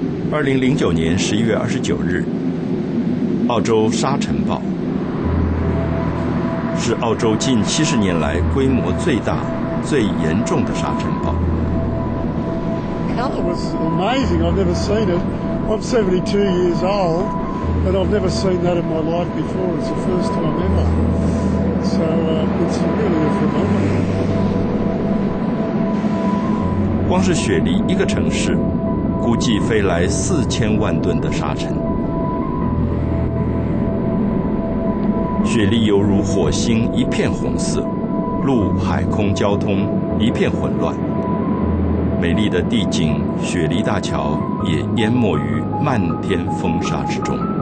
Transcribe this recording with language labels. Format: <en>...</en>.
<zh>2009年11月29日，澳洲沙尘暴是澳洲近70年来规模最大、最严重的沙尘暴。</zh> <en>Color was amazing. I've never seen it. I'm 72 years old, and I've never seen that in my life before. It's the first time ever. So it's really a phenomenon.</en> <zh>光是雪梨一个城市，估计飞来4000万吨的沙尘，雪梨犹如火星，一片红色，陆海空交通一片混乱，美丽的地景雪梨大桥也淹没于漫天风沙之中。</zh>